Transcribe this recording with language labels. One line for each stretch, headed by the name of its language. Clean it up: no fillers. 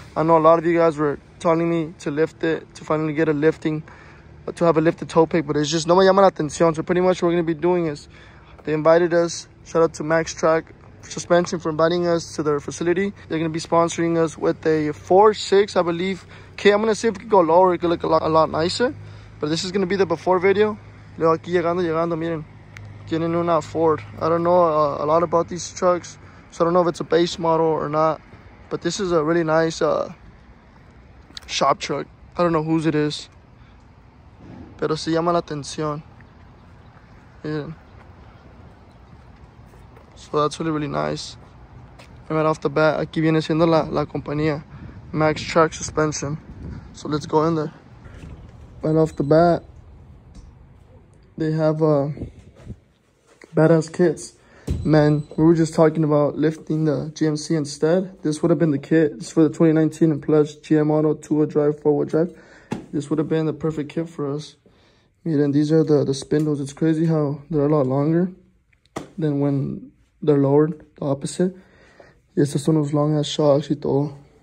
English: I know a lot of you guys were telling me to lift it, to finally get a lifting, to have a lifted tow pick, but it's just
Spanish: no me llama la atención.
English: So pretty much what we're gonna be doing is, they invited us, shout out to MaxTrac Suspension for inviting us to their facility. They're gonna be sponsoring us with a 4.6, I believe. Okay, I'm gonna see if we can go lower, it could look a lot nicer. But this is gonna be the before video.
Spanish: Luego aquí llegando, miren, tienen una Ford.
English: I don't know a lot about these trucks, so I don't know if it's a base model or not, but this is a really nice shop truck. I don't know whose it is,
Spanish: pero si llama la atención.
English: Yeah. So that's really, really nice. And right off the bat,
Spanish: aquí viene siendo la compañía,
English: MaxTrac Suspension. So let's go in there. Right off the bat, they have badass kits. Man, we were just talking about lifting the GMC instead. This would have been the kit. It's for the 2019 and plus GM auto, two-wheel drive, four-wheel drive. This would have been the perfect kit for us. Miren, these are the spindles. It's crazy how they're a lot longer than when they're lowered, the opposite.
Spanish: Y estos son los
English: long-ass shocks
Spanish: y todo.